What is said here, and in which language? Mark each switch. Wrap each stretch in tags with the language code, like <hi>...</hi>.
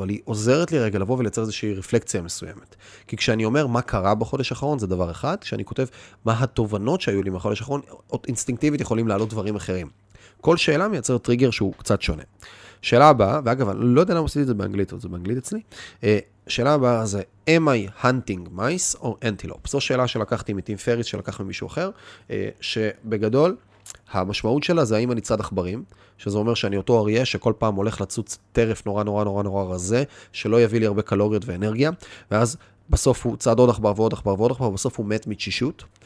<he>אבל היא עוזרת לי רגע לבוא ולייצר איזושהי רפלקציה מסוימת. כי כשאני אומר מה קרה בחודש האחרון, זה דבר אחד. כשאני כותב מה התובנות שהיו לי מהחודש האחרון, עוד אינסטינקטיבית יכולים לעלות דברים אחרים. כל שאלה מייצר טריגר שהוא קצת שונה. שאלה הבאה, ואגב, אני לא יודע למה עשיתי את זה באנגלית, זה באנגלית אצלי. שאלה הבאה זה,</he> <en>am I hunting mice or antelope?</en> <he>זו שאלה שלקחתי מטים פריס, שלקח ממישהו אחר, שבגדול המשמעות שלה זה האם אני צד עכברים, שזה אומר שאני אותו אריה שכל פעם הולך לצוץ טרף נורא נורא נורא נורא רזה, שלא יביא לי הרבה קלוריות ואנרגיה, ואז בסוף הוא צד עוד עכבר ועוד עכבר ועוד עכבר, ובסוף הוא מת מתשישות,</he>